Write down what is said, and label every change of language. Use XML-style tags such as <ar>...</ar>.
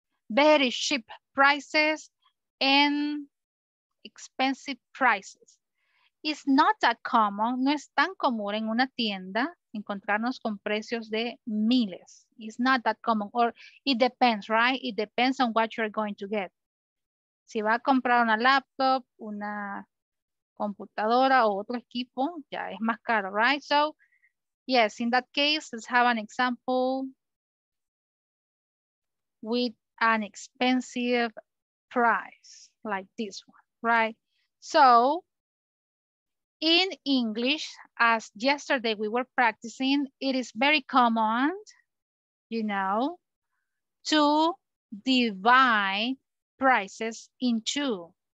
<en>Very cheap prices and expensive prices. It's not that common,</en> <es>no es tan común en una tienda encontrarnos con precios de miles.</es> <en>It's not that common, or it depends, right? It depends on what you're going to get.</en> <es>Si va a comprar una laptop, una computadora o otro equipo, ya es más caro, right?</es> <en>So, yes, in that case, let's have an example with an expensive price like this one, right? So, in English, as yesterday we were practicing, it is very common, you know, to divide prices in two.</en>